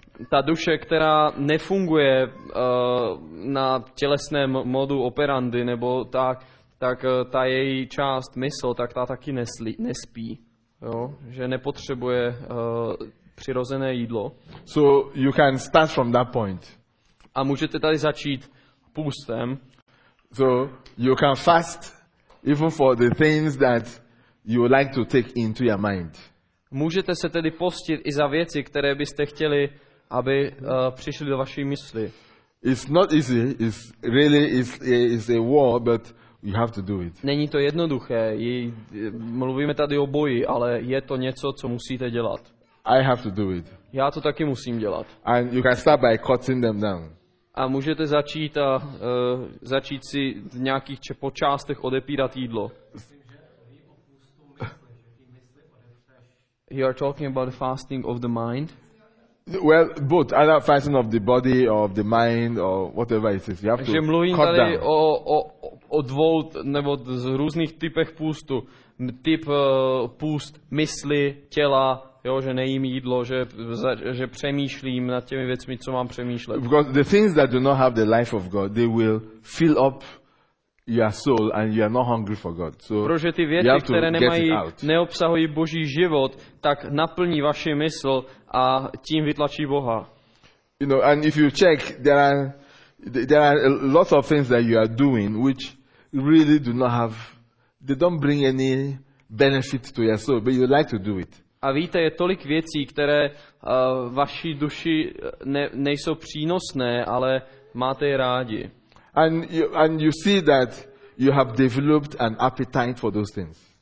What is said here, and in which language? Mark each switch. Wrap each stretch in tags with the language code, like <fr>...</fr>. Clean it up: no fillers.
<cs>Ta duše, která nefunguje na tělesném modu operandi nebo tak ta její část mysl, tak ta taky nespí. Jo? Že nepotřebuje přirozené jídlo.</cs> <en>So you can start from that point.</en> <cs>A můžete tady začít půstem.</cs> <en>So you can fast even for the things that you would like to take into your mind.</en> <cs>Můžete se tedy postit i za věci, které byste chtěli, aby přišly do vaší mysli.</cs> <en>It's not easy. It's really is a war, but you have to do it.</en> <cs>Není to jednoduché. Mluvíme tady o boji, ale je to něco, co musíte dělat.</cs> <en>I have to do it.</en> <cs>Já to taky musím dělat.</cs> <en>And you can start by cutting them down.</en> <cs>A můžete začít začít si v nějakých po částech odepírat jídlo.</cs> <en>You are talking about fasting of the mind? Well, both, either fasting of the body or of the mind or whatever it is. You have to cut down.</en> <cs>Že mluvím tady o dvou nebo z různých typech půstu. Typ půst mysli, těla, jo, že nejím jídlo, že přemýšlím nad těmi věcmi, co mám přemýšlet.</cs> <en>Because the things that do not have the life of God, they will fill up your soul and you are not hungry for God. So</en> <cs>protože ty věci, které neobsahují Boží život, tak naplní vaši mysl a tím vytlačí Boha.</cs> <en>You know, and if you check, there are lots of things that you are doing which really do not have, they don't bring any benefit to your soul, but you like to do it.</en> <cs>A víte, je tolik věcí, které vaší duši nejsou přínosné, ale máte je rádi.</cs> <en>And you see that you have developed an appetite for those things.</en>